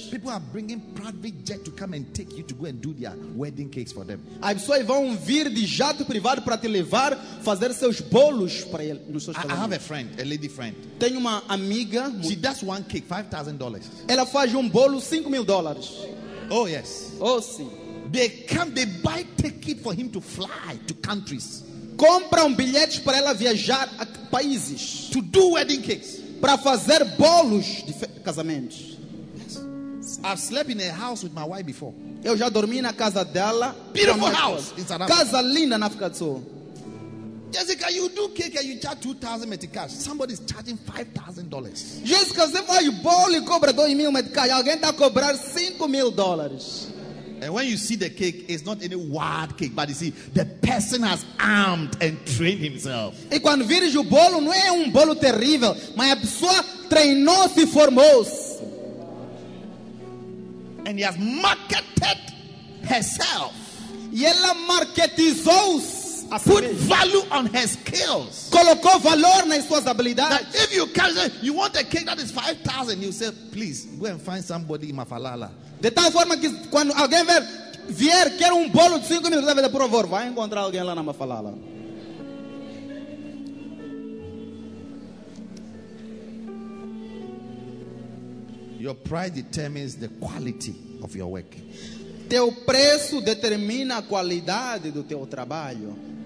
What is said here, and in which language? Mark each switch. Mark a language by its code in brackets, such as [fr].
[en] people are bringing private jet to come and take you to go and do their wedding cakes for them. [pt] As pessoas vão vir de jato privado para te levar fazer seus bolos para ele nos seus casamentos. [en] I have a friend, a lady friend. [pt] Tenho uma amiga. [en] She does one cake, $5,000. [pt] Ela faz bolo $5,000. [en] Oh yes. [pt] Oh sim. [en] They come, they buy ticket for him to fly to countries. [pt] Compra bilhetes para ela viajar a países. [en] To do wedding cakes. [pt] Para fazer bolos de casamentos. [en] I've slept in a house with my wife before. [pt] Eu já dormi na casa dela. [en] Beautiful house in South Africa. [pt] Casa linda na África do Sul. [en] Jessica, you do cake and you charge 2,000 meticais. Somebody's charging $5,000. [pt] Jessica, você faz bolo e cobra 2,000 meticais. Alguém está cobrando $5,000. [en] And when you see the cake, it's not any wild cake, but you see the person has armed and trained himself. [pt] E quando vires o bolo, não é bolo terrível, mas a pessoa treinou-se e formou-se. [en] And he has marketed herself. [pt] E ela marketizou-se. [en] Put value on her skills. [pt] Colocou valor nas suas habilidades. [en] Now, if you can say you want a cake that is 5,000, you say, please go and find somebody in Mafalala. [pt] De tal forma que quando alguém vier quer bolo de 5 minutos, por favor, vai encontrar alguém lá na Mafalala. [en] Your pride determines the quality of your work. [pt] Teu preço determina a qualidade do teu trabalho.